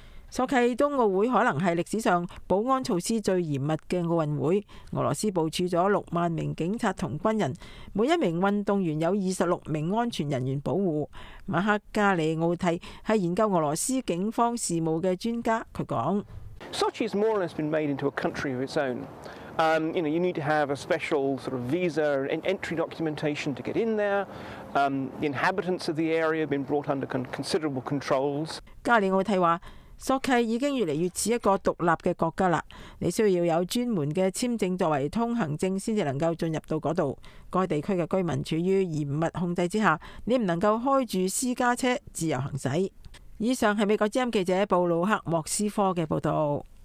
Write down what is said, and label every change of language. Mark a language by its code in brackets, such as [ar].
[zh] 索契冬奥会可能是历史上保安措施最严密的奥运会，俄罗斯部署了60,000名警察和军人，每一名运动员有26名安全人员保护。马克加里奥蒂是研究俄罗斯警方事务的专家，他说， [en] Sochi has more or less been made into a country of its own. You need to have a special sort of visa and entry documentation to get in there. The inhabitants of the area have been brought under considerable controls. [zh] 加里奥蒂说，索契已经越来越似一个独立的国家了，你需要有专门的签证作为通行证才能够进入到那里。该地区的居民处于严密控制之下，你不能够开着私家车自由行驶。以上是美国之音记者布鲁克莫斯科的报道。